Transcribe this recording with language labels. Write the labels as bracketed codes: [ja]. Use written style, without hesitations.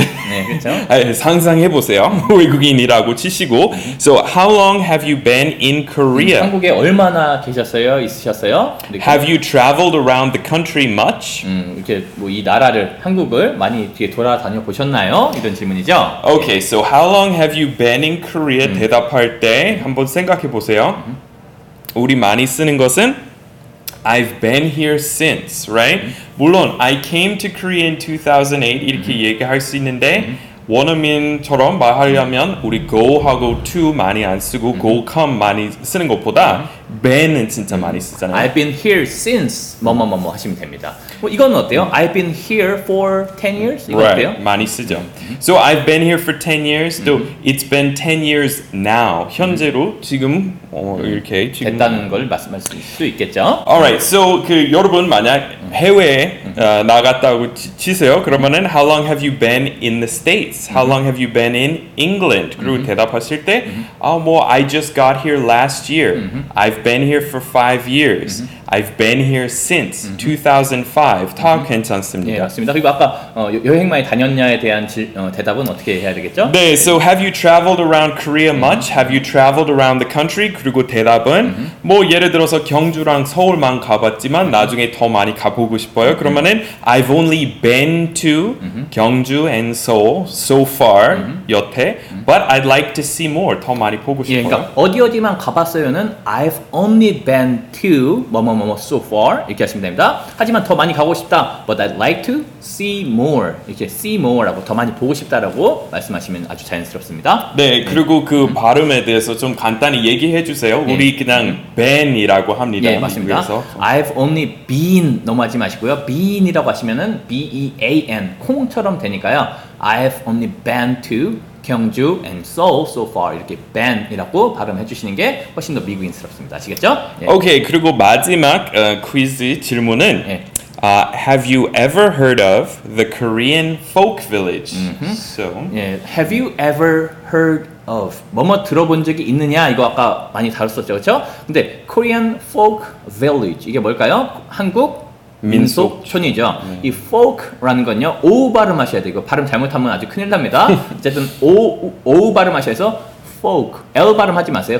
[ko] 네, 그렇죠? 상상해 보세요. 외국인이라고 치시고 [en] So how long have you been in Korea? [ko] 한국에 얼마나 계셨어요? 있으셨어요? 이렇게. [en] Have you traveled around the country much? [ko] 이렇게 뭐 이 나라를 한국을 많이 뒤에 돌아다녀 보셨나요? 이런 질문이죠. [en] Okay, so how long have you been in Korea? [ko] 대답할 때 한번 생각해 보세요. 우리 많이 쓰는 것은 [en] I've been here since, right? [ko] 물론 [en] I came to Korea in 2008 [ko] 이렇게 얘기할 수 있는데 원어민처럼 말하려면 우리 go하고 to 많이 안 쓰고 go come 많이 쓰는 것보다 been은 진짜 많이 쓰잖아요. [en] I've been here since [ko] 뭐뭐뭐뭐 하시면 됩니다. Well, 이건 어때요? [en] I've been here for 10 years? 이거 right. [ko] 어때요? 많이 쓰죠. [en] So I've been here for 10 years. So it's been 10 years now. [ko] 현재로 지금 이렇게 지금 됐다는 걸 말씀하실 수 있겠죠? Alright, so 그 여러분 만약 해외에 나갔다고 치세요. [en] 그러면은 how long have you been in the States? How long have you been in England? [ko] 그리고 대답하실 때 [en] oh, well, I just got here last year. I've been here for 5 years. I've been here since 2005. 다 괜찮습니다. [ko] 네, 맞습니다. 그리고 아까 여행 많이 다녔냐에 대한 대답은 어떻게 해야 되겠죠? [en] 네, so have you traveled around Korea much? Have you traveled around the country? [ko] 그리고 대답은 뭐 예를 들어서 경주랑 서울만 가봤지만 나중에 더 많이 가보고 싶어요. [en] 그러면은 I've only been to 경주 and Seoul so far 여태 but I'd like to see more. [ko] 더 많이 보고 싶어요. 예, 그러니까 어디 어디만 가봤어요는 [en] I've only been to [ko] 뭐뭐뭐 so far 이렇게 하시면 됩니다. 하지만 더 많이 가고 싶다 [en] but I'd like to see more [ko] 이렇게 see more라고 더 많이 보고 싶다라고 말씀하시면 아주 자연스럽습니다. 네, 그리고 그 발음에 대해서 좀 간단히 얘기해 주세요. 우리 그냥 been이라고 합니다. 네, 맞습니다. 그래서. [en] I've only been [ko] 너무 하지 마시고요. been이라고 하시면은 b-e-a-n 콩처럼 되니까요. [en] I've only been to 경주 and Seoul so far [ko] 이렇게 been이라고 발음해 주시는 게 훨씬 더 미국인스럽습니다. 아시겠죠? 예. 오케이, 그리고 마지막 퀴즈 질문은 예. [en] Have you ever heard of the Korean folk village? So, 예, have you ever heard of [ko] 뭐뭐 들어본 적이 있느냐? 이거 아까 많이 다뤘었죠, 그렇죠? 근데 Korean folk village 이게 뭘까요? 한국 민속촌이죠. 이 folk라는 건요, 오우 발음하셔야 되고 발음 잘못하면 아주 큰일 납니다. 어쨌든 오우 발음하셔서 folk, L 발음하지 마세요.